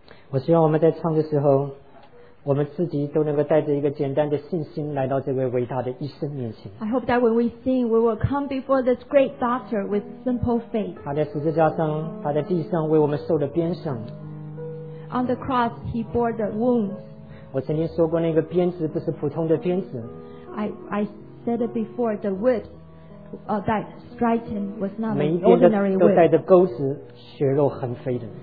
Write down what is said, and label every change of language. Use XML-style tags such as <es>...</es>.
<zh>我希望我们在唱的时候，我们自己都能够带着一个简单的信心来到这位伟大的医生面前。</zh> <en>I hope that when we sing, we will come before this great doctor with simple faith.</en> <zh>他在十字架上，他在地上为我们受了鞭伤。</zh> <en>On the cross, he bore the wounds.</en> <zh>我曾经说过，那个鞭子不是普通的鞭子。</zh> <en>I said it before, the whip that strikes him was not an ordinary whip.</en> <zh>每一鞭都带着钩子，血肉横飞的。</zh>